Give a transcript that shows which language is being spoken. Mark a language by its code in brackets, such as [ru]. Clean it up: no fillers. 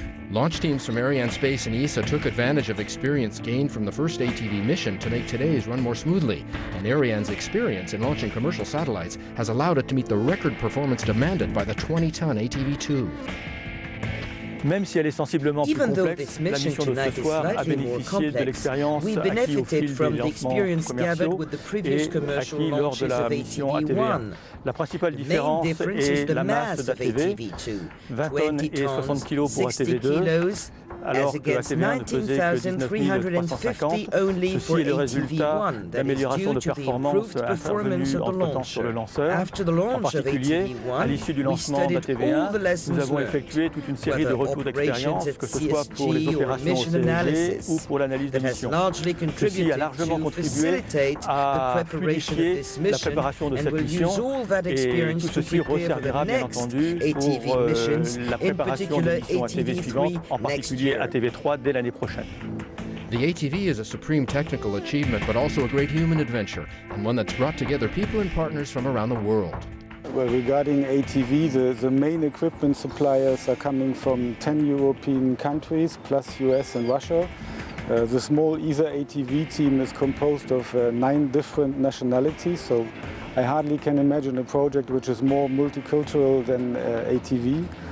[en] Launch teams from Arianespace and ESA took advantage of experience gained from the first ATV mission to make today's run more smoothly, and Ariane's experience in launching commercial satellites has allowed it to meet the record performance demanded by the 20-ton ATV-2. [fr] Même si elle est sensiblement [en] even [fr] plus complexe, la mission de ce soir a bénéficié de l'expérience acquise au fil des lancements commerciaux et acquis lors de la mission ATV1. La principale différence est la masse d'ATV, 20 tonnes et 60 kg pour ATV2, alors que l'ATV1 ne pesait que 19 350, ceci est le résultat d'amélioration de performance intervenue entre-temps sur le lanceur. En particulier, à l'issue du lancement d'ATV1, nous avons effectué toute une série de retours d'expérience, que ce soit pour les opérations au CSG ou pour l'analyse des missions. Ceci a largement contribué à fluidifier la préparation de cette mission, et tout ceci resservira bien entendu pour la préparation des missions ATV suivantes, en particulier ATV3 dès l'année prochaine. [en] The ATV is a supreme technical achievement, but also a great human adventure, and one that's brought together people and partners from around the world. Well, regarding ATV, the main equipment suppliers are coming from 10 European countries, plus US and Russia. The small ESA ATV team is composed of 9 different nationalities, so I hardly can imagine a project which is more multicultural than ATV.